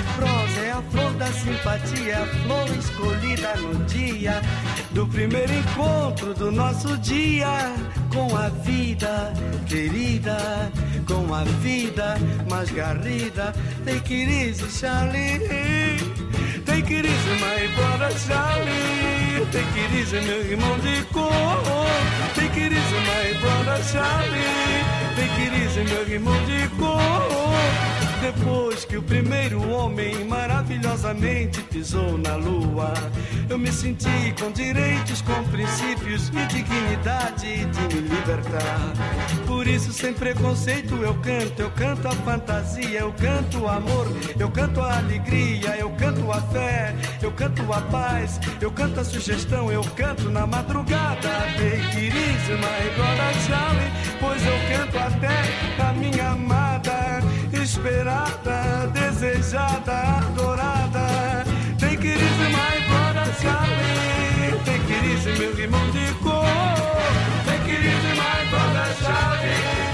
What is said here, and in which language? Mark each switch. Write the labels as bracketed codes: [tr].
[pt] Rosa é a flor da simpatia, a flor escolhida no dia do primeiro encontro do nosso dia. Com a vida, querida, com a vida mais garrida. [en] Take it easy, Charlie. Take it easy, my brother Charlie. Take it easy, [pt] meu irmão de cor. [en] Take it easy, my brother Charlie. Take it easy, [pt] meu irmão de cor. Depois que o primeiro homem maravilhosamente pisou na lua, eu me senti com direitos, com princípios e dignidade de me libertar. Por isso, sem preconceito, eu canto a fantasia, eu canto o amor, eu canto a alegria, eu canto a fé, eu canto a paz, eu canto a sugestão, eu canto na madrugada. [en] Take it easy, my brother Charlie, [pt] pois eu canto até a minha amada, esperada, desejada, adorada. [en] Take it easy, my brother Charlie. Take it easy, [pt] meu irmão de cor. [en] Take it easy, my brother Charlie.